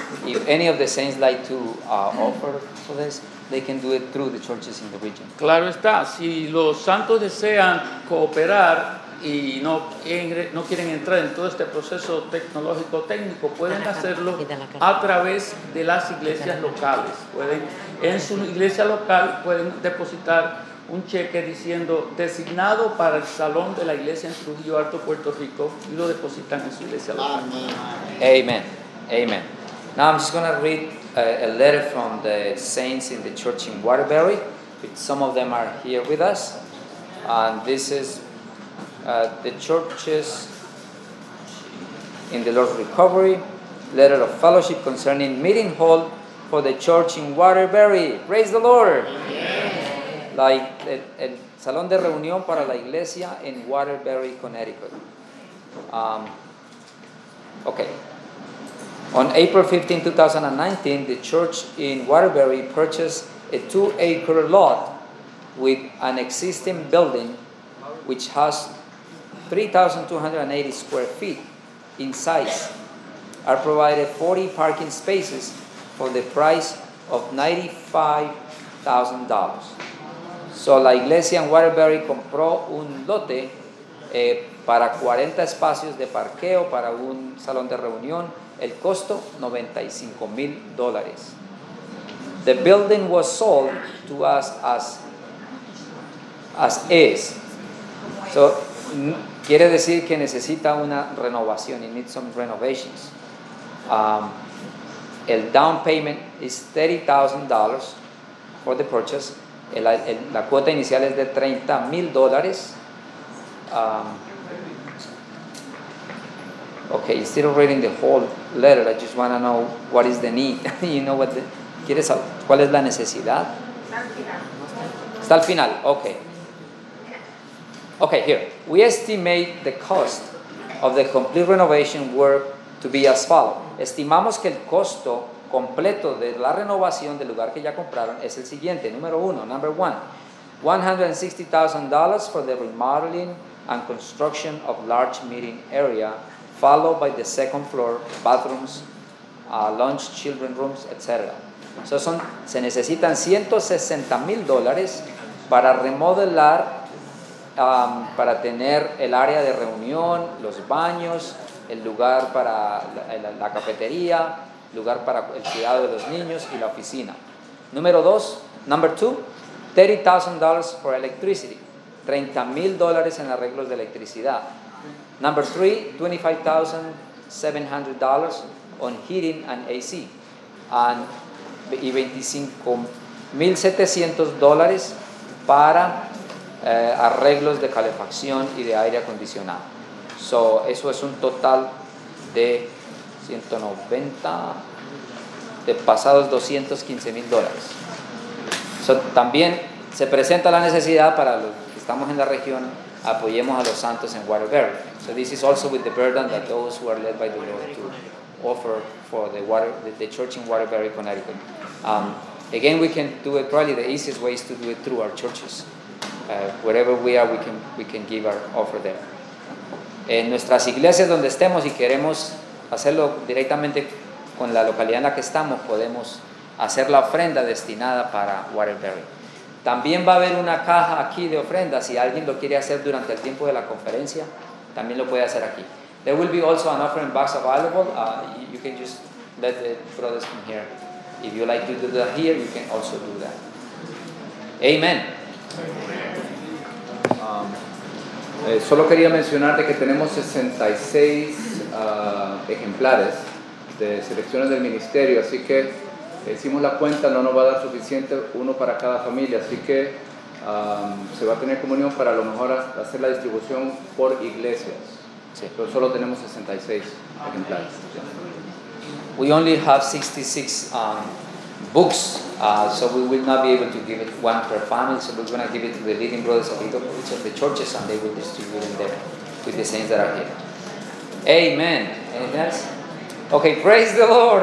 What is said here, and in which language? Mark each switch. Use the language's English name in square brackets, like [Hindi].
[English] If any of the saints like to offer for this, they can do it through the churches in the region. [Spanish] Claro está. Si los santos desean cooperar y no quieren entrar en todo este proceso tecnológico técnico, pueden hacerlo a través de las iglesias locales. Pueden en su iglesia local pueden depositar un cheque diciendo designado para el salón de la iglesia en Trujillo Alto, Puerto Rico, y lo depositan en su iglesia local. [English] Amen. Amen. Now I'm just going to read a letter from the saints in the church in Waterbury. Some of them are here with us. And this is the churches in the Lord's Recovery. Letter of fellowship concerning meeting hall for the church in Waterbury. Praise the Lord. [Spanish] Like el salón de reunión para la iglesia en Waterbury, Connecticut. [English] Okay. On April 15, 2019, the church in Waterbury purchased a 2-acre lot with an existing building which has 3,280 square feet in size, are provided 40 parking spaces for the price of $95,000. [Spanish] So la iglesia en Waterbury compró un lote para 40 espacios de parqueo para un salón de reunión. El costo, $95,000. [English] The building was sold to us as is. [Spanish] So, quiere decir que necesita una renovación. [English] It needs some renovations. El down payment is $30,000 for the purchase. [Spanish] La cuota inicial es de $30,000. [English] Okay, instead of reading the whole letter, I just want to know what is the need. You know what? [Spanish] ¿Quieres saber cuál es la necesidad? Está al final. Okay. Okay, here. [English] We estimate the cost of the complete renovation work to be as follows. [Spanish] Estimamos que el costo completo de la renovación del lugar que ya compraron es el siguiente. Número uno, [English] number one. $160,000 for the remodeling and construction of large meeting area, followed by the second floor, bathrooms, lunch, children rooms, etc. [Spanish] So se necesitan $160,000 para remodelar, para tener el área de reunión, los baños, el lugar para la cafetería, lugar para el cuidado de los niños y la oficina. Número dos, [English] number two, $30,000 for electricity, [Spanish] $30,000 en arreglos de electricidad. [English] Number three, $25,700 on heating and AC, and [Spanish] $25,700 para arreglos de calefacción y de aire acondicionado. So eso es un total de 190, de pasados $215,000. So también se presenta la necesidad para los que estamos en la región. Apoyemos a los santos en Waterbury. [English] So this is also with the burden that those who are led by the Lord to offer for the church in Waterbury, Connecticut. Again, we can do it. Probably the easiest way is to do it through our churches. Wherever we are, we can give our offer there. [Spanish] En nuestras iglesias donde estemos y queremos hacerlo directamente con la localidad en la que estamos, podemos hacer la ofrenda destinada para Waterbury. También va a haber una caja aquí de ofrendas. Si alguien lo quiere hacer durante el tiempo de la conferencia, también lo puede hacer aquí. [English] There will be also an offering box available. You can just let the brothers come here. If you like to do that here, you can also do that. Amen. [Spanish] Solo quería mencionarte que tenemos 66 ejemplares de selecciones del ministerio, así que hicimos la cuenta, no nos va a dar suficiente uno para cada familia, así que se va a tener comunión para a lo mejor hacer la distribución por iglesias. Sí. Pero solo tenemos 66 ejemplares. [English] We only have 66 books, so we will not be able to give it one per family, so we're going to give it to the leading brothers of each of the churches and they will distribute it there with the saints that are here. Amen. Anything else? Okay, praise the Lord.